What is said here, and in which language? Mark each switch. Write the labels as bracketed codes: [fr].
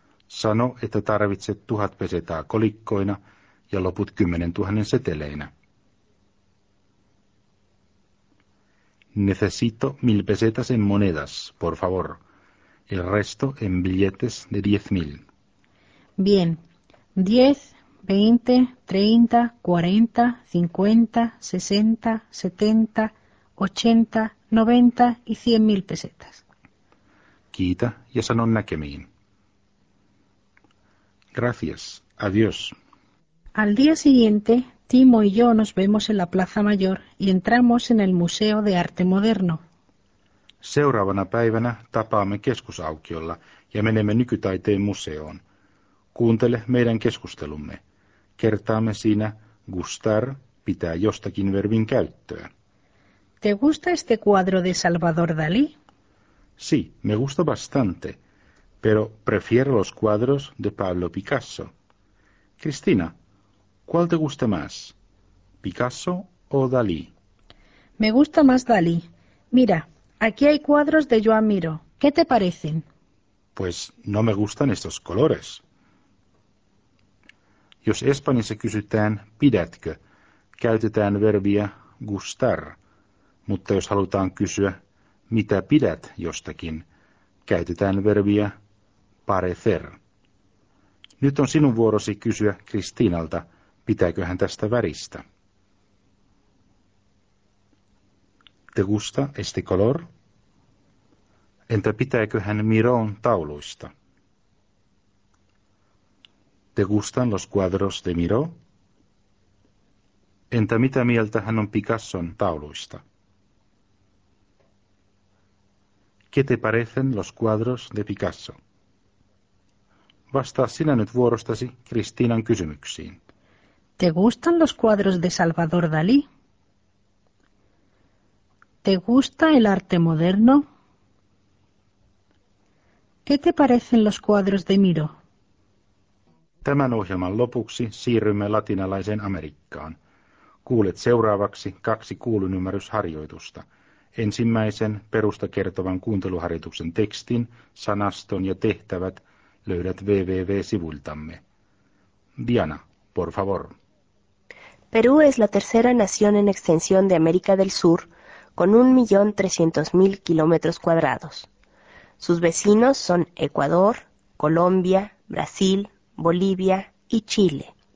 [fi] Sano, että tarvitset 1.000 pesetaa kolikkoina ja loput 10.000 seteleinä. [es] Necesito 1.000 pesetas en monedas, por favor. El resto en billetes de 10.000. Bien. 10, 20, 30, 40, 50, 60, 70, 80, 90 y 100.000 pesetas. [fi] Kiita ja sanon näkemiin. [es] Gracias. Adiós. Al día siguiente, Timo y yo nos vemos en la Plaza Mayor y entramos en el Museo de Arte Moderno. [fi] Seuraavana päivänä tapaamme keskusaukiolla ja menemme nykytaiteen museoon. Kuuntele meidän keskustelumme. Kertaamme siinä gustar, pitää jostakin verbin käyttöä. [es] ¿Te gusta este cuadro de Salvador Dalí? Sí, me gusta bastante, pero prefiero los cuadros de Pablo Picasso. Cristina, ¿cuál te gusta más, Picasso o Dalí? Me gusta más Dalí. Mira, aquí hay cuadros de Joan Miró. ¿Qué te parecen? Pues no me gustan estos colores. [fi] Jos Espanjassa kysytään, pidätkö, käytetään verbiä gustar. Mutta jos halutaan kysyä, mitä pidät jostakin, käytetään verbiä parecer. Nyt on sinun vuorosi kysyä Kristiinalta, pitääkö hän tästä väristä. [es] Te gusta este color? [fi] Entä pitääkö hän Miron tauluista? [es] ¿Te gustan los cuadros de Miró? [fi] Entä mitä mieltä hän on Picasson tauluista? [es] ¿Qué te parecen los cuadros de Picasso? [fi] Vastaa sinä nyt vuorostasi Kristiinan kysymyksiin. [es] ¿Te gustan los cuadros de Salvador Dalí? ¿Te gusta el arte moderno? ¿Qué te parecen los cuadros de Miró? [fi] Tämän ohjelman lopuksi siirrymme latinalaiseen Amerikkaan. Kuulet seuraavaksi kaksi kuulunymmärrysharjoitusta. Ensimmäisen perusta kertovan kuunteluharjoituksen tekstin, sanaston ja tehtävät löydät www-sivuiltamme. [es] Diana, por favor. Perú es la tercera nación en extensión de América del Sur, con 1.300.000 kilómetros cuadrados. Sus vecinos son Ecuador, Colombia, Brasil, Bolivia y Chile.